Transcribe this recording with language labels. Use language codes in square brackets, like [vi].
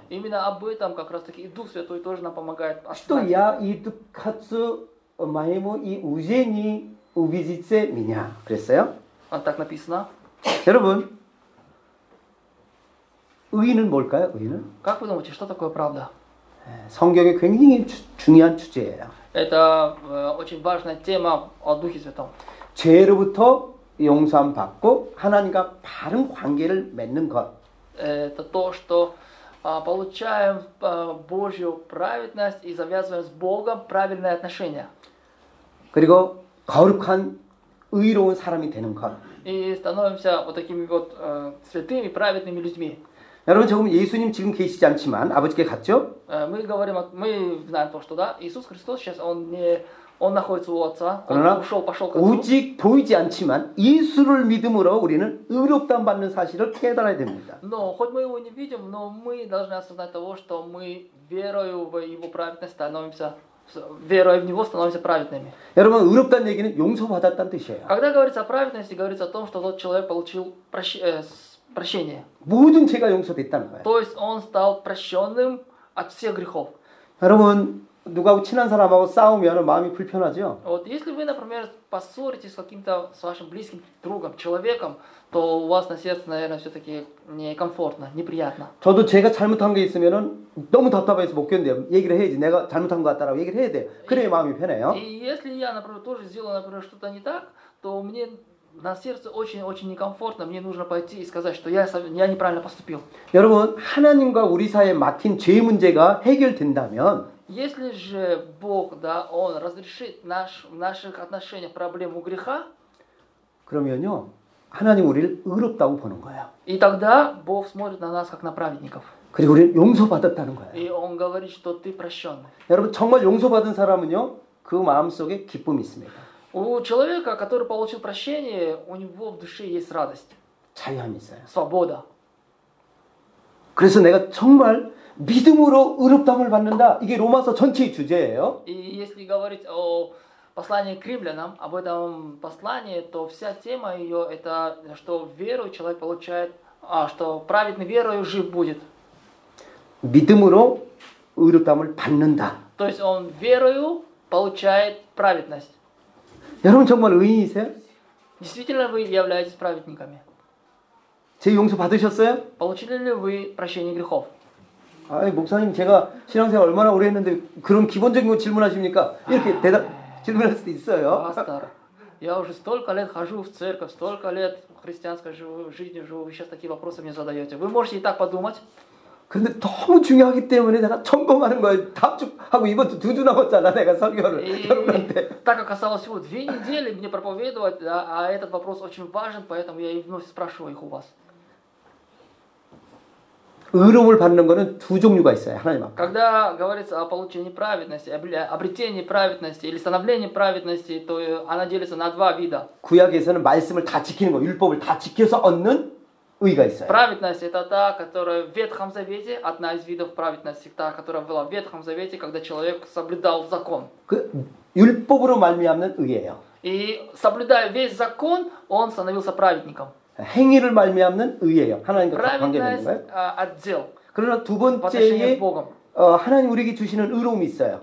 [ru] Именно об этом как раз таки и Дух Святой тоже нам помогает. Что я иду кацу моему и ужени увидите меня. [ko] 그랬어요? [ru] А так написано. [ko] 여러분, 의인은 뭘까요? 의인은? [ru] Как вы думаете, что такое правда? [ko] 성경에 굉장히 중요한 주제예요. [ru] Это очень важная тема о Духе Святом. [ko] 죄로부터 용서함 받고 하나님과 바른 관계를 맺는 것. [ru] Это то, что получаем Божью праведность и завязываем с Богом правильные отношения. [ko] 그리고 거룩한 의로운 사람이 되는 것. [ru] И становимся вот такими вот святыми, праведными людьми. [ko] 여러분 지금 예수님 지금 계시지 않지만 아버지께 갔죠? [ru] Мы говорим, мы знаем то, что да, Иисус Христос сейчас он находится у Отца. [ko] 그러나 [ru] он ушел, пошел к Отцу. [ko] 오직 보이지 않지만 예수를 믿음으로 우리는 의롭다 받는 사실을 깨달아야 됩니다. [ru] Но хоть мы его не видим, но мы должны осознать того, что мы верою в его праведность становимся. Верой в него становимся праведными. [ko] 여러분, 의롭다는 얘기는 용서받았다는 뜻이에요. [ru] Когда говорится о праведности, говорится о том, что тот человек получил прощение. [ko] 모든 죄가 용서됐다는 거예요. [ru] То есть он стал прощенным от всех грехов. [ko] 여러분, 누가 친한 사람하고 싸우면 마음이 불편하죠? [ru] Вот если вы, например, поссоритесь с каким-то с вашим близким другом, человеком, то у вас на сердце, наверное, все-таки некомфортно, неприятно. [ko] 저도 제가 잘못한 게 있으면은 너무 답답해서 못 견뎌요. 얘기를 해야지. 내가 잘못한 것 같다라고 얘기를 해야 돼. 그래야 마음이 편해요. [ru] И если я, например, тоже сделал, например, что-то не так, то мне на сердце очень-очень некомфортно. Мне нужно пойти и сказать, что я неправильно поступил. [ko] 여러분, 하나님과 우리 사이에 막힌 죄 문제가 해결된다면 [ru] Если же Бог, да, Он разрешит в наших отношениях проблему греха, [ko] 그러면요 하나님 우리를 의롭다고 보는 거예요. [ru] И тогда Бог смотрит на нас как на праведников. [ko] 그리고 우리 용서받았다는 거예요. [ru] И он говорит, что ты прощен. [ko] 여러분 정말 용서받은 사람은요 그 마음 속에 기쁨이 있습니다. [ru] У человека, который получил прощение, у него в душе есть радость. [ko] 자유함이 있어요. [ru] Свобода. [ko] 그래서 내가 정말 믿음으로 의롭다함을 받는다. 이게 로마서 전체의 주제예요. [ru] И если говорить о послании к римлянам, об этом послании, то вся тема ее это что веру человек получает, а что праведный верою жив будет. [ko] 믿음으로 의롭다함을 받는다. [ru] То есть он верою получает праведность. [ko] 여러분 정말 의인이세요? [ru] Действительно вы являетесь праведниками. [ko] 제 용서 받으셨어요? [ru] Получили ли вы прощение грехов? [ko] 아니 목사님 제가 신앙생활 얼마나 오래 했는데 그런 기본적인 거 질문하십니까? 이렇게 대답 질문할 수도 있어요. [ru] Пастор, я уже столько лет хожу в церковь, столько лет христианской жизни живу, вы сейчас такие вопросы мне задаете. Вы можете и так подумать. [ko] 근데 너무 중요하기 때문에 내가 점검하는 거예요. 다음 주 하고 이번 주 두 주 남았잖아 내가 설교를 여러분한테. [ru] Так как осталось всего две недели мне проповедовать, а этот вопрос очень важен, поэтому я вновь спрашиваю их у вас. [ko] 의로움을 받는 거는 두 종류가 있어요. 하나님 앞에. [ru] Когда говорится о получении праведности, обретении праведности или становлении праведности, то она делится на два вида. [ko] 구약에서는 말씀을 다 지키는 거, 율법을 다 지켜서 얻는 의가 있어요. [ru] Праведность это та, которая в Ветхом Завете, одна из видов праведности, та, которая была в Ветхом Завете, когда человек соблюдал закон. [ko] 그 율법으로 말미암는 의예요. [ru] И соблюдая весь закон, он становился праведником. [ko] 행위를 말미암는 의예요. 하나님과 관계되는 거예요. [ru] Отдел. [ko] 그러나 두 번째에 하나님 우리에게 주시는 의로움이 있어요.